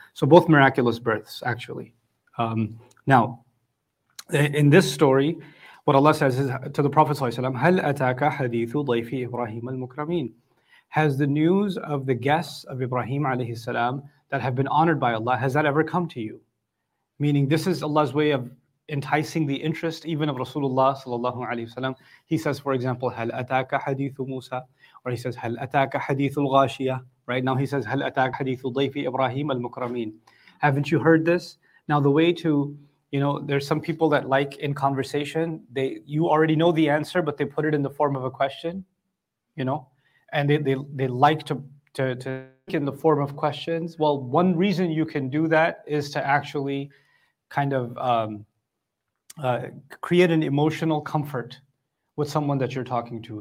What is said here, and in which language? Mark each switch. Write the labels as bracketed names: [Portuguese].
[English] So both miraculous births, actually. Now, in this story, what Allah says is to the Prophet sallallahu alayhi wasallam, [Arabic] هَلْ أَتَاكَ حَدِيثُ ضَيْفِ إِبْرَاهِيمَ الْمُكْرَمِينَ. [English] Has the news of the guests of Ibrahim alayhi salam that have been honored by Allah, has that ever come to you? Meaning this is Allah's way of enticing the interest even of Rasulullah sallallahu alayhi wasallam. He says, for example, [Arabic] هَلْ أَتَاكَ حَدِيثُ مُوسَى, [English] or he says, [Arabic] هَلْ أَتَاكَ حَدِيثُ الْغَاشِيَةِ. [English] Right now he says, [Arabic] هَلْ أَتَاكَ حَدِيثُ ضَيْفِ إِبْرَاهِيمَ الْمُكْرَمِينَ. [English] Haven't you heard this? Now the way to, you know, there's some people that like in conversation, you already know the answer, but they put it in the form of a question, you know, and they like to think in the form of questions. Well, one reason you can do that is to actually kind of create an emotional comfort with someone that you're talking to.